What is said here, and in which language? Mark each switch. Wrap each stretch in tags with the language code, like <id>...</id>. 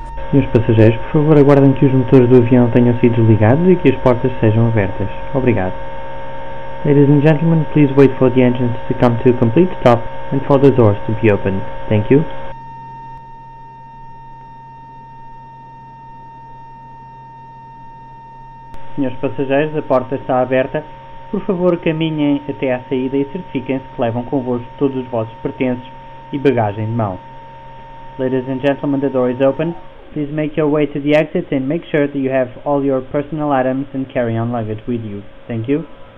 <pt>E os passageiros, por favor, aguardem que os motores do avião tenham sido desligados e que as portas sejam abertas. Obrigado.</pt> <en>Ladies and gentlemen, please wait for the engines to come to a complete stop and for the doors to be opened. Thank you.</en> <pt>Senhores passageiros, a porta está aberta. Por favor, caminhem até à saída e certifiquem-se que levam convosco todos os vossos pertences e bagagem de mão.</pt> <en>Ladies and gentlemen, the door is open. Please make your way to the exit and make sure that you have all your personal items and carry-on luggage with you. Thank you.</en>